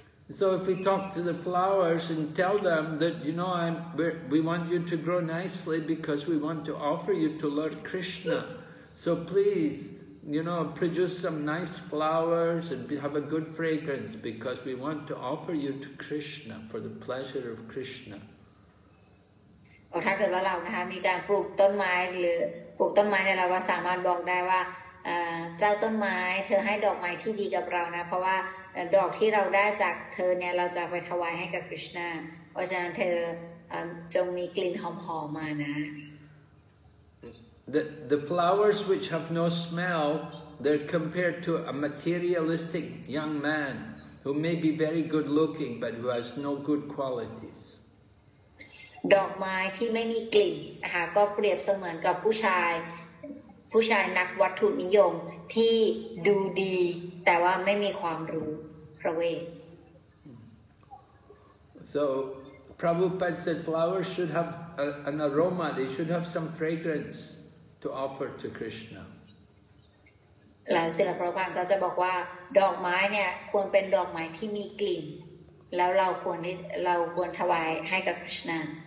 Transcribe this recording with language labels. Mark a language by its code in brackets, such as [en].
[en] So if we talk to the flowers and tell them that you know we want you to grow nicely because we want to offer you to Lord Krishna so please you know produce some nice flowers and have a good fragrance because we want to offer you to Krishna for the pleasure of Krishna อ่ า [th] ถ้าเกิดว่าเรานะคะมีการปลูกต้นไม้หรือปลูกต้นไม้เนี่ยเราก็สามารถบอกได้ว่าเจ้าต้นไม้เธอให้ดอกไม้ที่ดีกับเรานะเพราะว่าดอกที่เราได้จากเธอเนี่ยเราจะไปถวายให้กับคริชนาเพราะฉะนั้นเธอจงมีกลิ่นหอมๆมานะ [en] The flowers which have no smell, they're compared to a materialistic young man who may be very good looking but who has no good qualities. [th] ดอกไม้ที่ไม่มีกลิ่นนะคะก็เปรียบเสมือนกับผู้ชายนักวัตถุนิยมที่ดูดีแต่ว่าไม่มีความรู้พระเวท [en] So Prabhupada said flowers should have an aroma they should have some fragrance to offer to Krishna [th] แล้วศิลปพระองค์ก็จะบอกว่าดอกไม้เนี่ยควรเป็นดอกไม้ที่มีกลิ่นแล้วเราควรถวายให้กับคริชนา